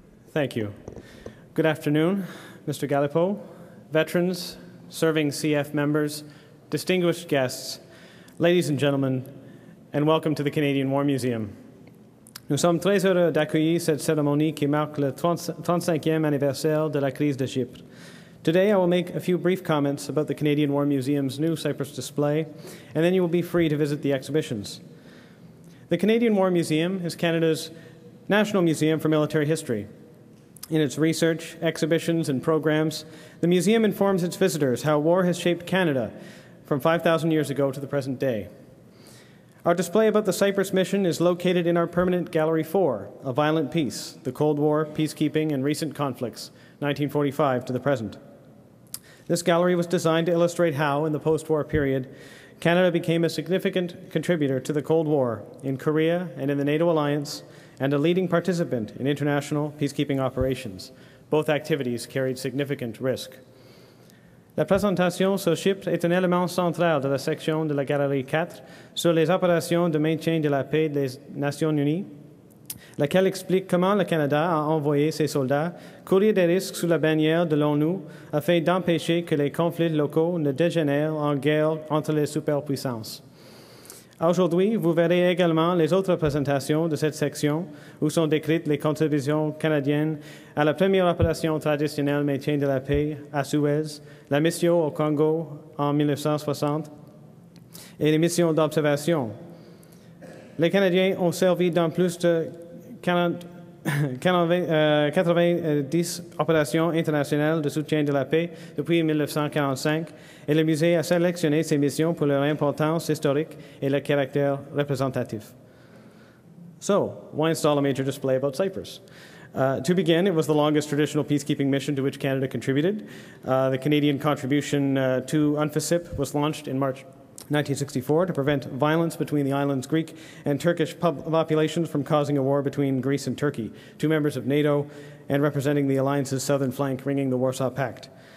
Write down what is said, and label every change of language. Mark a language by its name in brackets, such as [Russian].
[English] Thank you. Good afternoon, Mr. Gallipo, veterans, serving CF members, distinguished guests, ladies and gentlemen, and welcome to the Canadian War Museum. [French] Nous sommes très heureux d'accueillir cette cérémonie qui marque le 35e anniversaire de la crise de Chypre. [English] Today, I will make a few brief comments about the Canadian War Museum's new Cyprus display, and then you will be free to visit the exhibitions. The Canadian War Museum is Canada's national museum for military history. In its research, exhibitions, and programs, the museum informs its visitors how war has shaped Canada from 5,000 years ago to the present day. Our display about the Cyprus mission is located in our permanent Gallery 4, A Violent Peace, the Cold War, Peacekeeping, and Recent Conflicts, 1945 to the present. This gallery was designed to illustrate how, in the post-war period, Canada became a significant contributor to the Cold War in Korea and in the NATO alliance, and a leading participant in international peacekeeping operations. Both activities carried significant risk. [French] La présentation sur Chypre est un élément central de la section de la Galerie 4 sur les opérations de maintien de la paix des Nations Unies, laquelle explique comment le Canada a envoyé ses soldats courir des risques sous la bannière de l'ONU afin d'empêcher que les conflits locaux ne dégénèrent en guerre entre les superpuissances. Aujourd'hui, vous verrez également les autres présentations de cette section où sont décrites les contributions canadiennes à la première opération traditionnelle maintien de la paix à Suez, la mission au Congo en 1960 et les missions d'observation. Les Canadiens ont servi dans plus de 90 opérations internationales de soutien de la paix depuis 1945, et le musée a sélectionné ces missions pour leur importance historique et leur caractère représentatif. [English] So, why install a major display about Cyprus? To begin, it was the longest traditional peacekeeping mission to which Canada contributed. The Canadian contribution to UNFACYP was launched in March 1964 to prevent violence between the island's Greek and Turkish populations from causing a war between Greece and Turkey, two members of NATO and representing the alliance's southern flank ringing the Warsaw Pact.